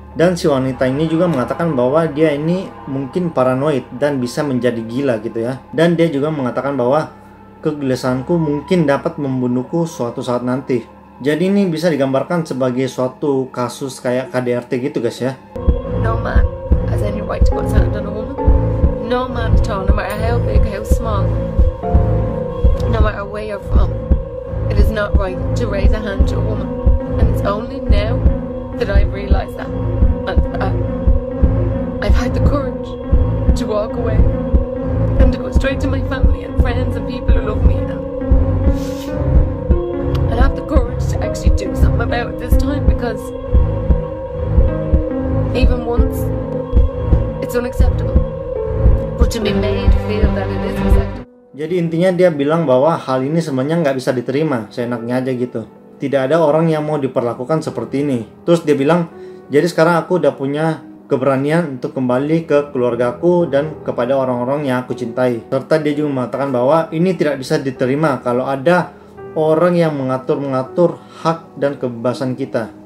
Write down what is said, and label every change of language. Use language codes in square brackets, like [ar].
[id] Dan si wanita ini juga mengatakan bahwa dia ini mungkin paranoid dan bisa menjadi gila gitu ya. Dan dia juga mengatakan bahwa kegelisahanku mungkin dapat membunuhku suatu saat nanti. Jadi ini bisa digambarkan sebagai suatu kasus kayak KDRT gitu guys ya. [en] No man has any right to put his hand on a woman. No man at all, no matter how big, how small, no matter where you're from, it is not right to raise a hand to a woman. And it's only now that I've realized that. And I've had the courage to walk away and to go straight to my family and friends and people who love me now. Actually do something about it this time, because even once it's unacceptable, but to be made feel that it is acceptable. [id] Jadi intinya dia bilang bahwa hal ini sebenarnya nggak bisa diterima, seenaknya aja gitu. Tidak ada orang yang mau diperlakukan seperti ini. Terus dia bilang, jadi sekarang aku udah punya keberanian untuk kembali ke keluargaku dan kepada orang-orang yang aku cintai. Serta dia juga mengatakan bahwa ini tidak bisa diterima kalau ada orang yang mengatur-ngatur hak dan kebebasan kita.